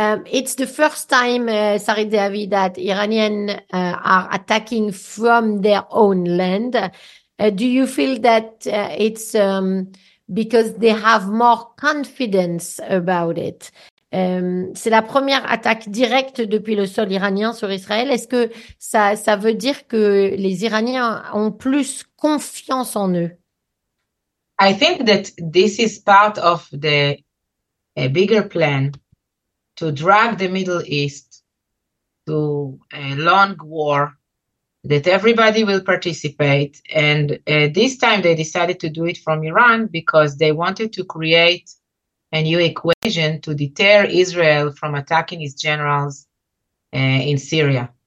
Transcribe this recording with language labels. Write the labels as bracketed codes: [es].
[en] It's the first time, Sarit Zehavi, that Iranians are attacking from their own land. Do you feel that it's because they have more confidence about it? [fr] C'est la première attaque directe depuis le sol iranien sur Israël. Est-ce que ça veut dire que les Iraniens ont plus confiance en eux? [en] I think that this is part of a bigger plan to drag the Middle East to a long war that everybody will participate. And this time they decided to do it from Iran because they wanted to create a new equation to deter Israel from attacking its generals in Syria.